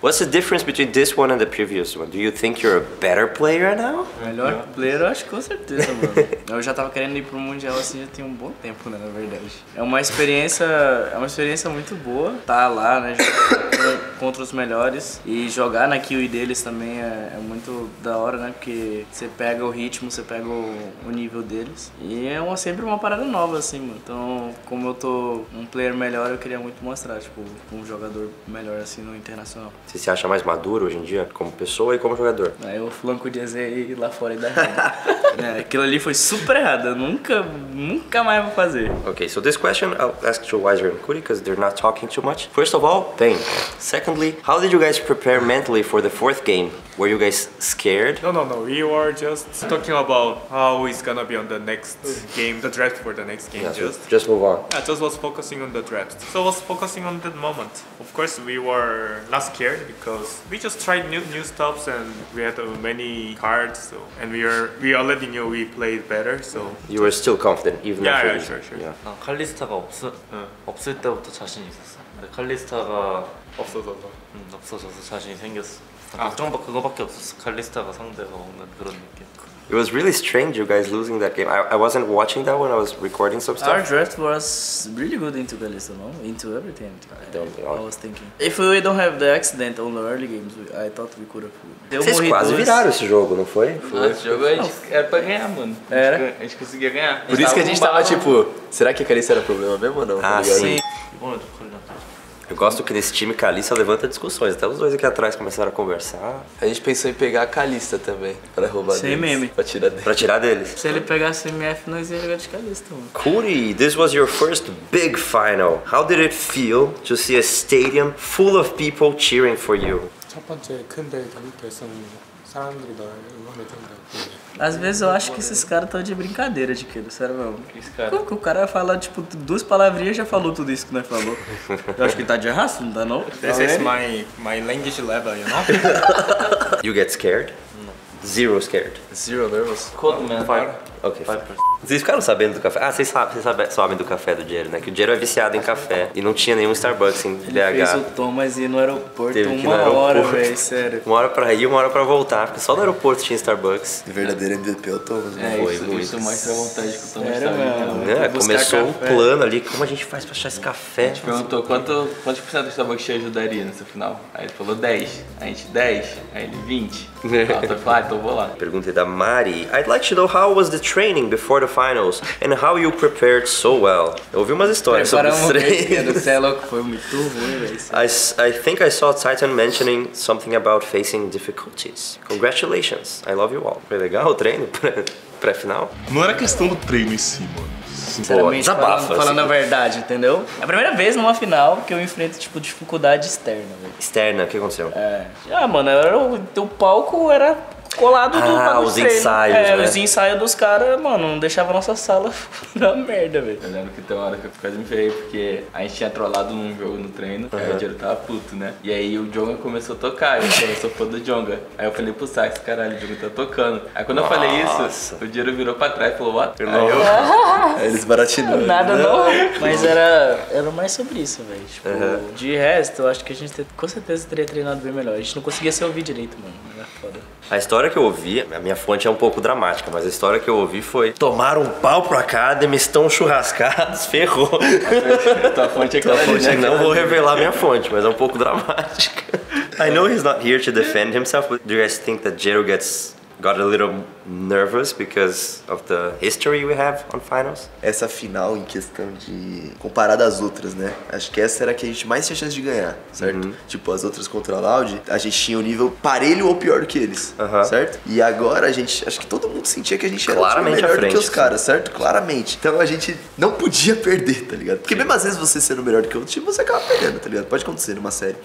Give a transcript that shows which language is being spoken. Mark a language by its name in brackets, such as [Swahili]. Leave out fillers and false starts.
[English] What's the difference between this one and the previous one? Do you think you're a better player now? [Portuguese] Melhor player, eu acho com certeza, mano. Eu já tava querendo ir pro Mundial assim, já tem um bom tempo, né, na verdade. É uma experiência muito boa. Tá lá, né, contra os melhores. E jogar na QE deles também é muito da hora, né? Porque você pega o ritmo, você pega o nível deles. E é sempre uma parada nova, assim, mano. Então, como eu tô um player melhor, eu queria muito mostrar, tipo, um jogador melhor, assim, no internacional. Você se acha mais maduro hoje em dia, como pessoa e como jogador? Aí eu flanco o DZ aí lá fora e dá é, aquilo ali foi super errado, eu nunca mais vou fazer. [English] Ok, so this question I'll ask to Wiser and Kuri, because they're not talking too much. First of all, tem. Secondly, how did you guys prepare mentally for the fourth game? Were you guys scared? No. We were just talking about how it's gonna be on the next game, the draft for the next game. Yeah, just move on. I just was focusing on the draft. So I was focusing on that moment. Of course, we were not scared because we just tried new stuffs and we had many cards. So, and we already knew we played better. So you were still confident, even yeah, after yeah, sure. Yeah. [Korean] 칼리스타가 없을 때부터 자신 있었어. 근데 칼리스타가 없어져서 자신이 생겼어. [English] It was really strange you guys losing that game. I wasn't watching that when I was recording some stuff. Our draft was really good into Kalista, no? Into everything. I was thinking. If we don't have the accident on the early games, I thought we could have. [Portuguese] Vocês quase viraram esse jogo, não foi? Esse jogo a gente era pra ganhar, mano. Era? A gente conseguia ganhar. Por isso que a gente tava tipo, será que a Kalista era problema mesmo ou não? Ah, sim. Eu gosto que nesse time Kalista levanta discussões. Até os dois aqui atrás começaram a conversar. A gente pensou em pegar a Kalista também. Pra roubar sem deles. Sem meme. Pra tirar deles. Pra tirar deles. Se ele pegasse MF, nós ia jogar de Kalista, mano. [English] Kuri, this was your first big final. How did it feel to see a stadium full of people cheering for you? [Korean] 첫 번째 큰 대회가 됐었는데 사람들이 널 응원해 준다고. [Portuguese] Às vezes eu acho que esses caras estão de brincadeira de queiro, sério mesmo. Como que o cara vai falar, tipo, duas palavrinhas e já falou tudo isso que nós falou? Eu acho que ele tá de raça, não tá não? [English] This is my language level, you know? You get scared? [Portuguese] Não. [English] Zero scared? Zero nervous. Cold, man. Fire. Ok. [Portuguese] Vocês ficaram sabendo do café? Ah, vocês sabem do café do Jero, né? Que o Jero é viciado em café e não tinha nenhum Starbucks em BH. Ele fez o Thomas ir no aeroporto uma hora, velho, sério. Uma hora pra ir, uma hora pra voltar, porque só no aeroporto tinha Starbucks. Verdadeiro MVP é o Thomas, né? Foi isso, muito. Isso mais pra vontade que o Thomas era, né? Começou um plano ali, como a gente faz pra achar esse café? A gente perguntou quanto por cento do Starbucks te ajudaria nesse final. Aí ele falou 10. A gente, 10? Aí ele, 20. Então vou lá. Perguntei da Mari. [English] I'd like to know how was the training before the finals and how you prepared so well. [Portuguese] Eu ouvi umas histórias sobre os treinos. Você é louco, foi muito ruim, velho. [English] I think I saw Titan mentioning something about facing difficulties. Congratulations, I love you all. [Portuguese] Foi legal o treino pré-final? Não era questão do treino em si, mano. Sinceramente, falando a verdade, entendeu? É a primeira vez numa final que eu enfrento, tipo, dificuldade externa, velho. Externa, o que aconteceu? É. Ah, mano, teu palco era colado do treino. Os ensaios, né? Os ensaios dos caras, mano, não deixava a nossa sala na merda, velho. Eu lembro que tem uma hora que eu quase me ferrei, porque a gente tinha trollado num jogo no treino, aí o Jero tava puto, né? E aí o Djonga começou a tocar, eu sou fã do Djonga. Aí eu falei pro Sax, caralho, o Djonga tá tocando. Aí quando eu falei isso, o Jero virou pra trás e falou, [English] what? [Portuguese] Aí eles baratinaram. Nada não. Mas era mais sobre isso, velho. Tipo, de resto, eu acho que a gente com certeza teria treinado bem melhor. A gente não conseguia se ouvir direito, mano. Era foda. A história que eu ouvi, a minha fonte é um pouco dramática, mas a história que eu ouvi foi: tomaram um pau pro Academy, estão churrascados, ferrou. Tua fonte é claro, fonte, não vou revelar a minha fonte, mas é um pouco dramática. [English] I know he's not here to defend himself, but do you guys think that Jero got a little nervous because of the history we have on finals? [Portuguese] Essa final em questão de... comparada às outras, né? Acho que essa era a que a gente mais tinha chance de ganhar, certo? Uh-huh. Tipo, as outras contra a Loud, a gente tinha um nível parelho ou pior do que eles, certo? E agora a gente... acho que todo mundo sentia que a gente claramente era melhor frente, do que os caras, certo? Claramente. Então a gente não podia perder, tá ligado? Porque mesmo às vezes você sendo melhor do que o outro time, você acaba perdendo, tá ligado? Pode acontecer numa série.